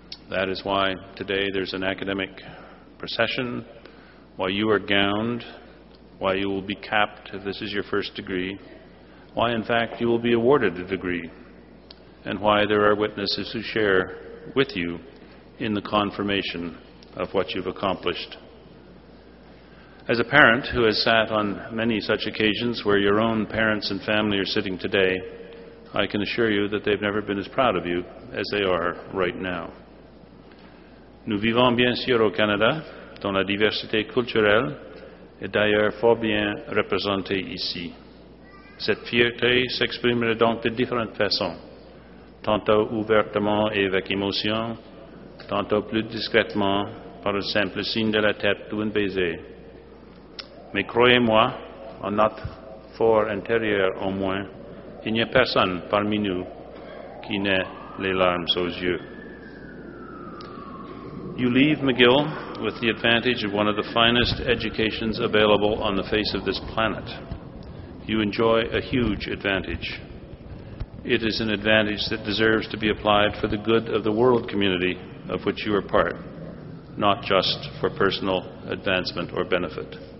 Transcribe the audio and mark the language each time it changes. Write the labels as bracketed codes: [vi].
[en] That is why today there's an academic procession, why you are gowned, why you will be capped if this is your first degree, why, in fact, you will be awarded a degree, and why there are witnesses who share with you in the confirmation of what you've accomplished. As a parent who has sat on many such occasions where your own parents and family are sitting today, I can assure you that they've never been as proud of you as they are right now. [fr] Nous vivons bien sûr au Canada, dont la diversité culturelle est d'ailleurs fort bien représentée ici. Cette fierté s'exprimera donc de différentes façons, tantôt ouvertement et avec émotion, tantôt plus discrètement par un simple signe de la tête ou un baiser. Mais croyez-moi, en notre fort intérieur au moins, il n'y a personne parmi nous qui n'ait les larmes aux yeux. [en] You leave McGill with the advantage of one of the finest educations available on the face of this planet. You enjoy a huge advantage. It is an advantage that deserves to be applied for the good of the world community of which you are part, not just for personal advancement or benefit.